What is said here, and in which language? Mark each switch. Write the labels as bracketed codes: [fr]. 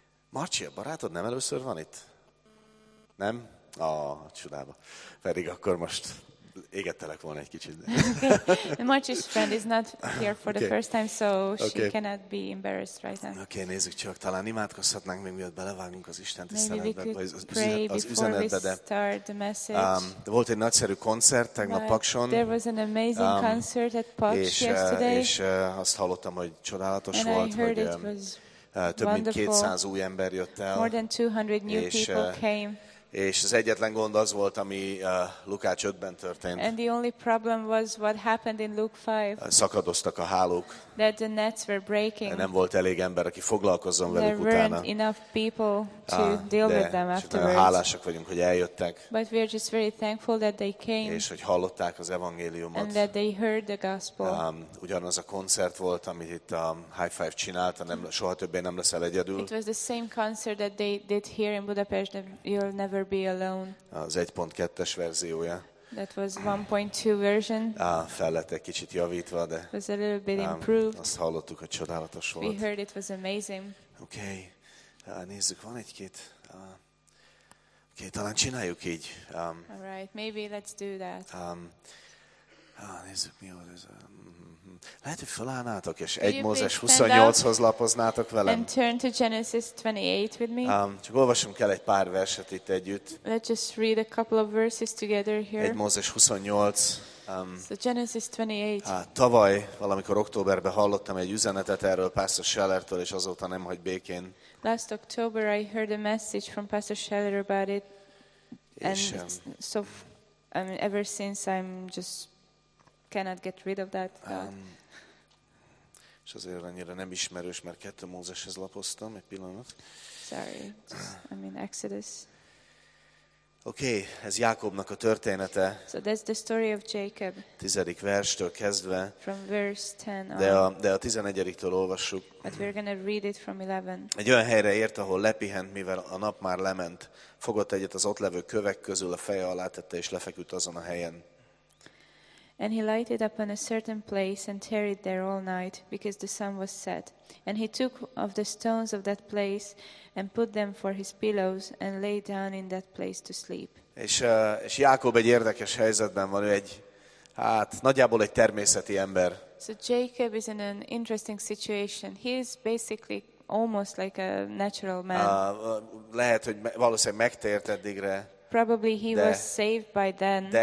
[hu] Marci, a barátod nem először van itt? Nem? Csodába. Pedig akkor most égettelek volna egy kicsit. [en] Okay. Marci's friend is not here for the first time, so she cannot be embarrassed right now. [hu] Okay, nézzük csak. Talán imádkozhatnánk, még miatt belevágunk az Isten tiszteletbe, az üzenetbe. [en] Maybe we could pray before we start the message. [hu] Volt egy nagyszerű koncert tegnap Pakson. [en] There was an amazing concert at Paks yesterday. [hu] És azt hallottam, hogy csodálatos volt. [en] And I heard [hu] hogy, [en] it was [hu] több mint 200 új ember jött el. [en] More than 200 new people came. [hu] És az egyetlen gond az volt, ami Lukács 5-ben történt. [en] And the only problem was what happened in Luke 5. [hu] Szakadoztak a hálók. [en] That the nets were breaking. [hu] Nem volt elég ember, aki foglalkozzon [en] there [hu] velük utána. [en] There weren't enough people to deal with them afterwards. [hu] Nagyon hálásak vagyunk, hogy eljöttek. [en] But we are just very thankful that they came. [hu] És hogy hallották az evangéliumot. [en] And that they heard the gospel. [hu] Ugyanaz a koncert volt, amit itt a High Five csinált, nem, soha többé nem leszel egyedül. [en] It was the same concert that they did here in Budapest. You'll never be alone. [hu] Az 1.2-es verziója. [en] That was 1.2 version. [hu] Fel lett egy kicsit javítva, de [en] was a little bit improved. [hu] Azt hallottuk, hogy csodálatos volt. [en] We heard it was amazing. [hu] Okay. Nézzük, van egy-két. Talán csináljuk így. [en] All right, maybe let's do that. [hu] Nézzük, mi van ez. Lehet, hogy felállnátok, és egy Mózes 28-hoz lapoznátok velem. [en] And turn to Genesis 28 with me. [hu] Csak olvasunk el egy pár verset itt együtt. [en] Let's just read a couple of verses together here. [hu] Egy Mózes 28. [en] So Genesis 28. [hu] Tavaly, valamikor októberben hallottam egy üzenetet erről Pastor Schellertől, és azóta nem hagy békén. [en] Last October I heard a message from Pastor Scheller about it. [hu] És, [en] and so, I mean, ever since I'm just cannot get rid of that. [hu] És azért annyira nem ismerős, mert kettő Mózeshez lapoztam egy pillanat. [en] Sorry, I mean Exodus. [hu] Okay, ez Jákobnak a története. [en] So that's the story of Jacob. [hu] 10. verstől kezdve. [en] From verse 10 on. [hu] De a 11-től olvassuk. [en] But we're gonna read it from 11. [hu] Egy olyan helyre ért, ahol lepihent, mivel a nap már lement. Fogott egyet az ott levő kövek közül, a feje alá tette, és lefeküdt azon a helyen. [en] And he lighted up on a certain place and tarried there all night, because the sun was set. And he took of the stones of that place and put them for his pillows and lay down in that place to sleep. [hu] És Jákob egy érdekes helyzetben van, ő egy, nagyjából egy természeti ember. [en] So Jacob is in an interesting situation. He is basically almost like a natural man. [hu] Lehet, hogy valószínűleg megtért eddigre. [en] Probably he was saved by then.